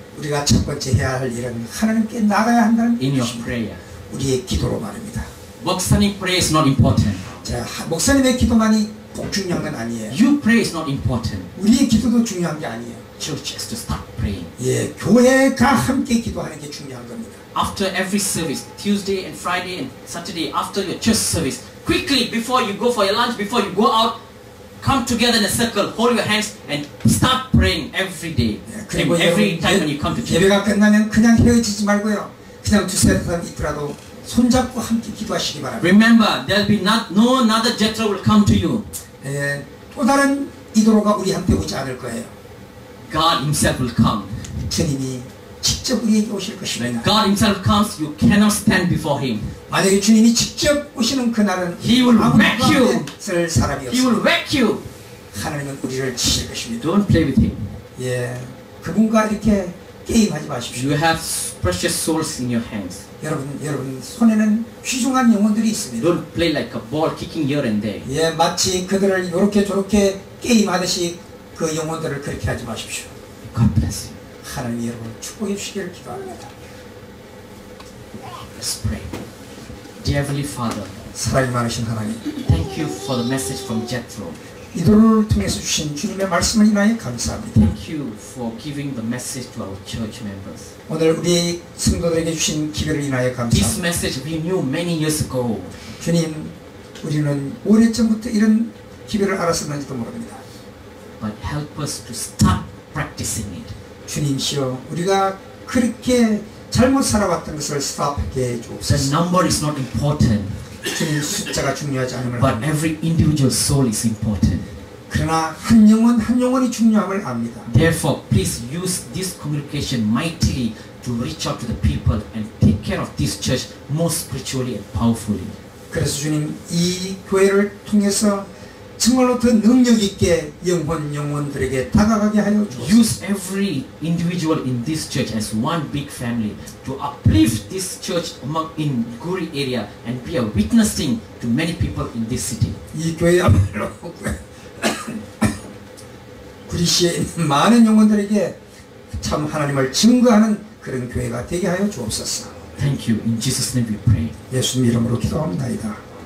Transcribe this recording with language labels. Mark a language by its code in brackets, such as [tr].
[ko] 우리가 첫 번째 해야 할 일은 하나님께 나아가야 한다는 [en] In your prayer. [ko] 우리의 기도로 말입니다. [en] 목사님 prayer is not important. [ko] 자, 목사님의 기도만이 중요한 건 아니에요. [en] You pray is not important. [ko] 우리의 기도도 중요한 게 아니에요. [en] Church has to start praying. [ko] 예, 교회가 함께 기도하는 게 중요한 겁니다. [en] After every service, Tuesday and Friday and Saturday, after your church service, quickly before you go for your lunch, before you go out, come together in a circle, hold your hands, and start praying every day. [ko] 예, 그리고 [en] every time when you come to church. [ko] 예배가 끝나면 그냥 헤어지지 말고요. 그냥 두세 번 있더라도 손잡고 함께 기도하시기 바랍니다. [en] Remember, there'll be not no another Jethro will come to you. [ko] 예, 또 다른 이도로가 우리 함께 오지 않을 거예요. [en] God Himself will come. [ko] 주님이 직접 우리에게 오실 것입니다. [en] When God Himself comes, you cannot stand before Him. [ko] 만약에 주님이 직접 오시는 그날은 [en] He will whack you. [ko] 쓸 사람이 없어요. [en] He will whack you. [ko] 하나님은 우리를 치실 것입니다. [en] Don't play with Him. [ko] 예, 그분과 이렇게 게임하지 마십시오. [en] You have precious souls in your hands. [ko] 여러분 손에는 귀중한 영혼들이 있습니다. [en] Don't play like a ball kicking here and there. [ko] 예, 마치 그들을 이렇게 저렇게 게임하듯이 그 영혼들을 그렇게 하지 마십시오. [en] God bless you. [ko] 하나님 여러분 축복해 주시기를 기도합니다. [en] Let's pray. Dear Heavenly Father, [ko] 사랑이 많으신 하나님. [en] Thank you for the message from Jethro. [ko] 이도를 통해서 주신 주님의 말씀을 인하여 감사합니다. [en] Thank you for giving the message to our church members. [ko] 오늘 우리 성도들에게 주신 기별을 인하여 감사합니다. [en] This message we knew many years ago. [ko] 주님, 우리는 오래전부터 이런 기별을 알았었는지도 모릅니다. [en] But help us to stop practicing it. [ko] 주님이시여, 우리가 그렇게 잘못 살아왔던 것을 스탑하게 해주옵소서. [en] The number is not important. [ko] 주님 숫자가 중요하지 않음을 [en] But every individual soul is important. [ko] 그러나 한 영혼 한 영혼이 중요함을 압니다. [en] Therefore, please use this communication mightily to reach out to the people and take care of this church more spiritually and powerfully. [ko] 그래서 주님 이 교회를 통해서 정말로 더 능력 있게 영혼 영혼들에게 다가가게 하여 주옵소서. [en] Use every individual in this church as one big family to uplift this church among in Guri area and be a witnessing to many people in this city. [ko] 이 교회야말로 구리시에 있는 많은 영혼들에게 참 하나님을 증거하는 그런 교회가 되게 하여 주옵소서. [en] Thank you. In Jesus' name we pray. [ko] 예수님 이름으로 기도합니다.